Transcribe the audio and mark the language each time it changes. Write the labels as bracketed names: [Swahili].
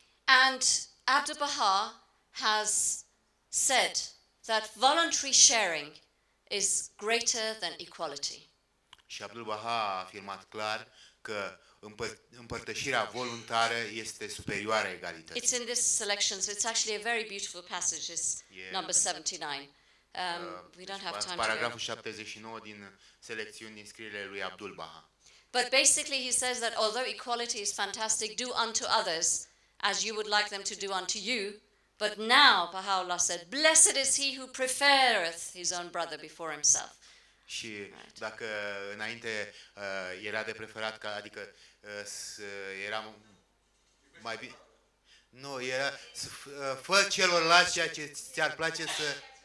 [English] And Abdu'l-Bahá has said that voluntary sharing is greater than equality. [Romanian] Și Abdu'l-Bahá a afirmat clar că împărtășirea voluntară este superioară egalității. [English] It's in this selection, so it's actually a very beautiful passage, it's number 79. We don't have time. [Romanian] Paragraful 79 din selecțiuni din scrierile lui Abdu'l-Bahá. [English] But basically he says that although equality is fantastic, do unto others as you would like them to do unto you, but now Baha'u'llah said, blessed is he who preferreth his own brother before himself. [Romanian] Și dacă înainte era de preferat, ca, adică era mai bine, nu, era, fă celorlalți ceea ce ți-ar place să,